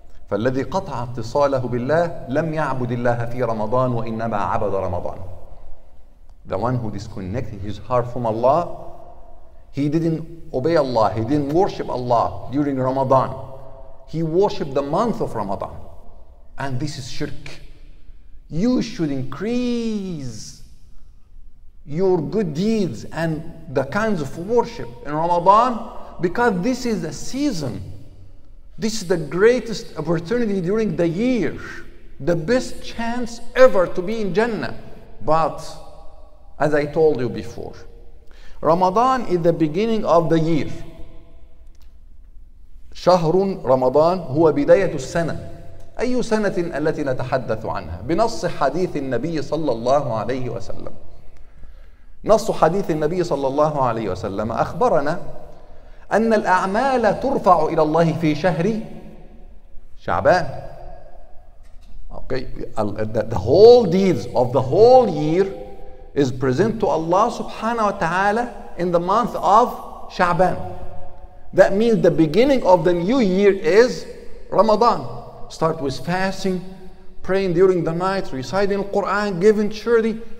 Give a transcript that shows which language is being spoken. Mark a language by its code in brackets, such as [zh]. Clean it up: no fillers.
[ar] فالذي قطع اتصاله بالله لم يعبد الله في رمضان وإنما عبد رمضان. [en] The one who disconnected his heart from Allah, he didn't obey Allah, he didn't worship Allah during Ramadan. He worshiped the month of Ramadan. And this is shirk. You should increase your good deeds and the kinds of worship in Ramadan because this is a season. This is the greatest opportunity during the year. The best chance ever to be in Jannah. But as I told you before, Ramadan is the beginning of the year. [ar] شهر رمضان هو بداية السنة. أي سنة التي نتحدث عنها؟ بنص حديث النبي صلى الله عليه وسلم. نص حديث النبي صلى الله عليه وسلم أخبرنا أن الأعمال ترفع إلى الله في شهر شعبان. [en] Okay. The whole deeds of the whole year is present to Allah subhanahu wa ta'ala in the month of Sha'ban. That means the beginning of the new year is Ramadan. Start with fasting, praying during the night, reciting the Quran, giving charity.